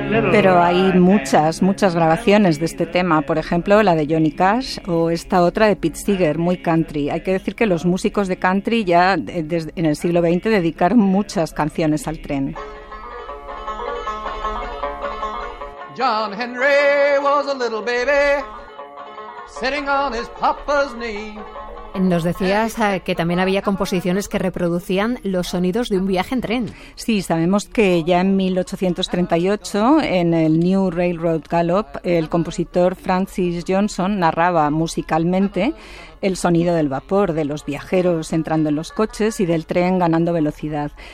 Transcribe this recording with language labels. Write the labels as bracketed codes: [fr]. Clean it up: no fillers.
[es] Pero hay muchas, muchas grabaciones de este tema, por ejemplo la de Johnny Cash o esta otra de Pete Seeger, muy country. Hay que decir que los músicos de country ya desde en el siglo XX dedicaron muchas canciones al tren. [en] John Henry was a little baby, sitting on his papa's knee. [es] Nos decías que también había composiciones que reproducían los sonidos de un viaje en tren. Sí, sabemos que ya en 1838, en el New Railroad Gallop, el compositor Francis Johnson narraba musicalmente el sonido del vapor, de los viajeros entrando en los coches y del tren ganando velocidad.